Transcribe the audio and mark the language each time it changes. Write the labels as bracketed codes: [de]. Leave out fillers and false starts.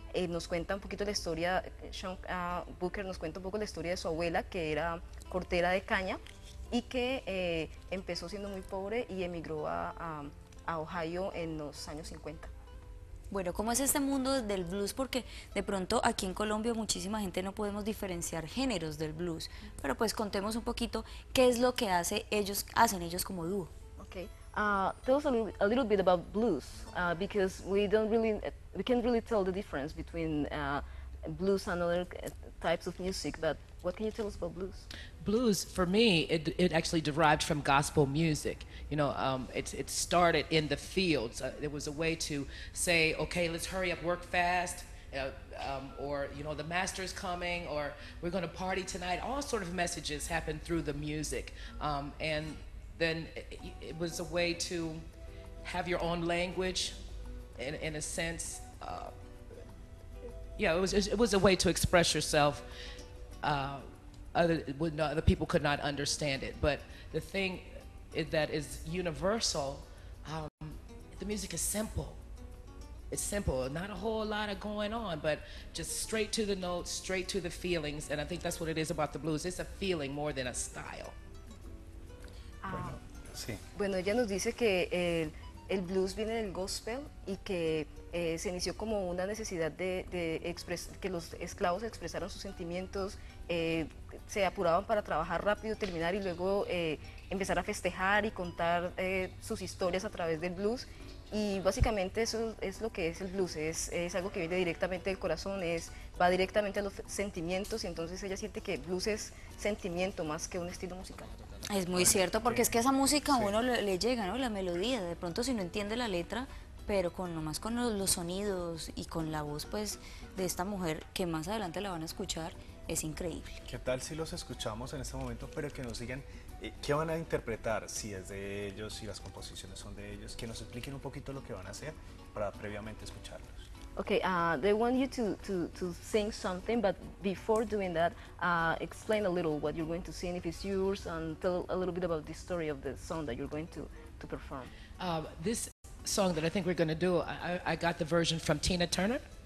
[es] Nos cuenta un poquito la historia, Sean Booker nos cuenta un poco la historia de su abuela, que era cortera de caña y que empezó siendo muy pobre y emigró a Ohio en los años 50. Bueno, ¿cómo es este mundo del blues? Porque de pronto aquí en Colombia muchísima gente no podemos diferenciar géneros del blues, pero pues contemos un poquito qué es lo que hacen ellos como dúo. [en] Tell us a little bit about blues, because we can't really tell the difference between blues and other types of music. But what can you tell us about blues? Blues, for me, it actually derived from gospel music. You know, it started in the fields. It was a way to say, okay, let's hurry up, work fast, or you know, the master's coming, or we're going to party tonight. All sort of messages happen through the music, and then it was a way to have your own language, in a sense. It was a way to express yourself other people could not understand it. But the thing that is universal, the music is simple. It's simple, not a whole lot of going on, but just straight to the notes, straight to the feelings. And I think that's what it is about the blues. It's a feeling more than a style. [es] Bueno, ella nos dice que el blues viene del gospel y que se inició como una necesidad que los esclavos expresaran sus sentimientos, se apuraban para trabajar rápido, terminar y luego empezar a festejar y contar sus historias a través del blues. Y básicamente eso es lo que es el blues, es algo que viene directamente del corazón, va directamente a los sentimientos, y entonces ella siente que blues es sentimiento más que un estilo musical. Es muy cierto, porque es que esa música a uno le llega, ¿no? La melodía, de pronto si no entiende la letra, pero con nomás con los sonidos y con la voz, pues, de esta mujer, que más adelante la van a escuchar, es increíble. ¿Qué tal si los escuchamos en este momento, pero que nos digan qué van a interpretar, si es de ellos, si las composiciones son de ellos, que nos expliquen un poquito lo que van a hacer para previamente escucharlos? [en] Okay, they want you to sing something, but before doing that, explain a little what you're going to sing, if it's yours, and tell a little bit about the story of the song that you're going to perform. This song that I think we're going to do, I got the version from Tina Turner.